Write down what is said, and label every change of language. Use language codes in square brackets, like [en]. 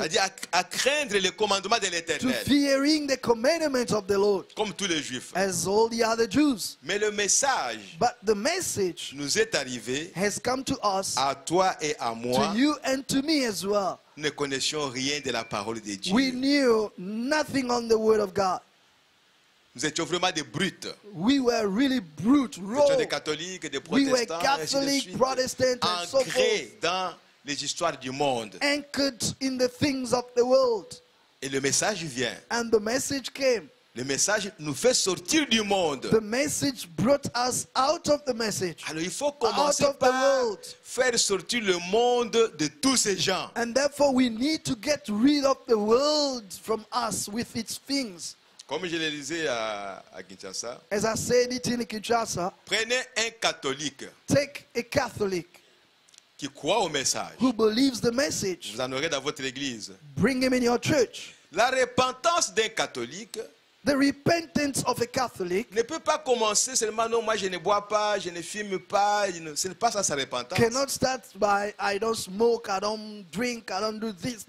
[fr] C'est-à-dire à craindre les commandements de l'Éternel. [en] To fearing the commandments of the Lord. [fr] Comme tous les Juifs. [en] As all the other Jews. [fr] Mais le message. [en] But the message. [fr] Nous est arrivé. [en] Has come to us. [fr] À toi et à moi. [en] To you and to me as well. [fr] Nous ne connaissions rien de la parole de Dieu. [en] We knew nothing on the word of God. [fr] Nous étions vraiment des brutes. [en] We were really brute, raw. [fr] Nous étions des catholiques, des protestants, [en] we were Catholic, Protestant, and so forth. [fr] Ancrés dans les histoires du monde. [en] Anchored in the things of the world. [fr] Et le message vient. [en] And the message came. [fr] Le message nous fait sortir du monde. [en] The message brought us out of the message. [fr] Alors il faut commencer [en] out of the world. [fr] Faire sortir le monde de tous ces gens. [en] And therefore we need to get rid of the world from us with its things. [fr] Comme je le disais à Kinshasa. [en] As I said it in Kinshasa. [fr] Prenez un catholique. [en] Take a Catholic. [fr] Qui croit au message. [en] Who believes the message. [fr] Vous en aurez dans votre église. [en] Bring him in your church. [fr] La repentance d'un catholique. [en] The repentance of a Catholic. [fr] Ne peut pas commencer seulement non, moi je ne bois pas, je ne fume pas. Ce n'est pas ça sa repentance. [en] Cannot start by I don't smoke, I don't drink, I don't do this.